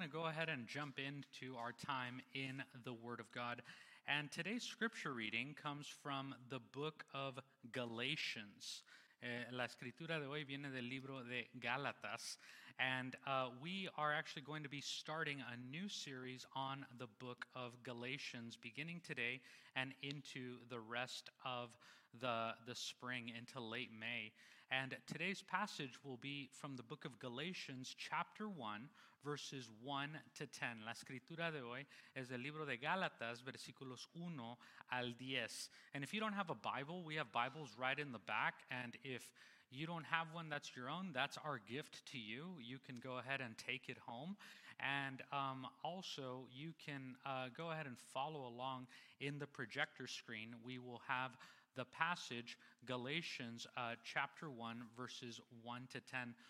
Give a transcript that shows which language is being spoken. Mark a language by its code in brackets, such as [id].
[en] to go ahead and jump into our time in the Word of God. And today's scripture reading comes from the book of Galatians. [es] La escritura de hoy viene del libro de Gálatas. [en] And we are actually going to be starting a new series on the book of Galatians, beginning today and into the rest of the spring, into late May. And today's passage will be from the book of Galatians, chapter 1, verses 1 to 10. [es] La escritura de hoy es del libro de Gálatas, versículos 1 al 10. [en] And if you don't have a Bible, we have Bibles right in the back. And if you don't have one that's your own, that's our gift to you. You can go ahead and take it home. And also, you can go ahead and follow along in the projector screen. We will have the passage, Galatians chapter 1, verses 1 to 10.